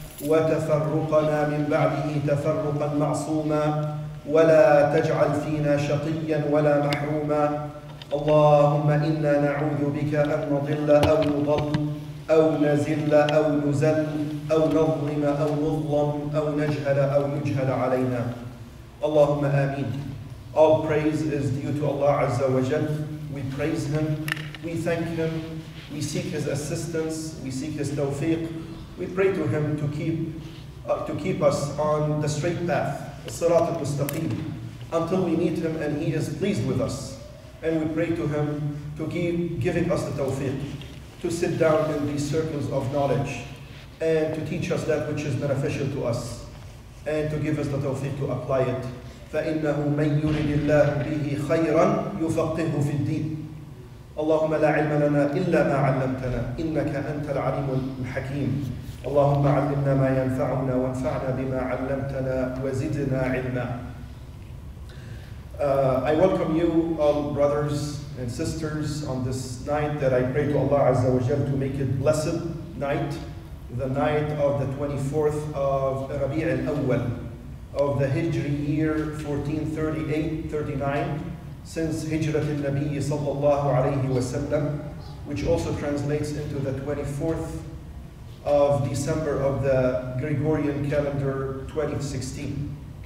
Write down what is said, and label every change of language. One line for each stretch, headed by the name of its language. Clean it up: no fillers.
Arabic: وتفرقنا من بعده تفرقا معصوما ولا تجعل فينا شقيا ولا محروما اللهم إنا نعوذ بك أن نضل أو نضل أو نزل أو نزل أو نظلم أو نظلم أو نجهل أو يجهل علينا اللهم آمين.
English: All praise is due to Allah Azza wa Jal. We praise Him, we thank Him, we seek His assistance, we seek His tawfiq. We pray to Him to keep us on the straight path, Sirat al-Mustaqim, until we meet Him and He is pleased with us. And we pray to Him to keep giving us the tawfiq, to sit down in these circles of knowledge, and to teach us that which is beneficial to us, and to give us the tawfiq to apply it.
Arabic: فَإِنَّهُ مَنْ يُرِدِ اللَّهُ بِهِ خَيْرًا يُفَقِّهُ فِي الدِّينِ اللهم لا علم لنا إلا ما علمتنا إنك أنت العليم الحكيم اللهم علمنا ما ينفعنا وانفعنا بما علمتنا وزدنا علما.
English: I welcome you all brothers and sisters on this night that I pray to Allah Azza wa Jal to make it blessed night, the night of the 24th of Rabi' al-Awwal of the Hijri year 1438-39, since Hijrat al-Nabi sallallahu alayhi wa sallam, which also translates into the 24th of December of the Gregorian calendar 2016.